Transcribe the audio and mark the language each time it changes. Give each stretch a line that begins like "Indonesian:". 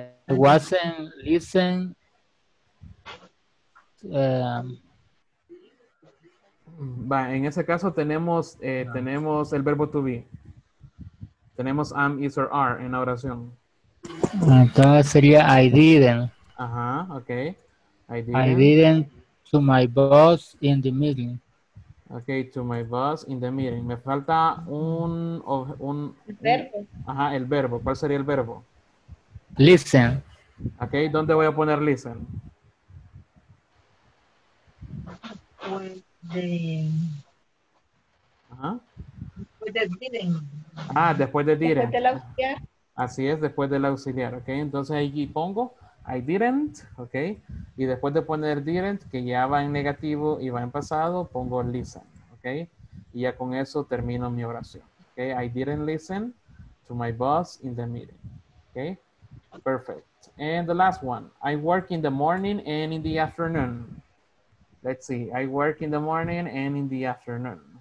English: I wasn't listening.
Spanish: Va, en ese caso tenemos, tenemos el verbo to be. Tenemos am, is, or are en la oración. Entonces sería
English: I didn't. Ajá, okay. I didn't to my boss in the meeting. Okay, to my boss in the meeting.
Spanish: Me falta un verbo. Ajá, el verbo. ¿Cuál sería el verbo?
English: Listen.
Spanish: Okay, ¿dónde voy a poner listen? Después de
English: didn't.
Spanish: Después de auxiliar. Así es, después del auxiliar. Okay, entonces ahí pongo
English: I didn't,
Spanish: ok. Y después de poner didn't, que ya va en negativo y va en pasado, pongo listen, ok. Y ya con eso termino mi oración, ok.
English: I didn't listen to my boss in the meeting, ok. Perfect. And the last one. I work in the morning and in the afternoon. Let's see. I work in the morning and in the afternoon.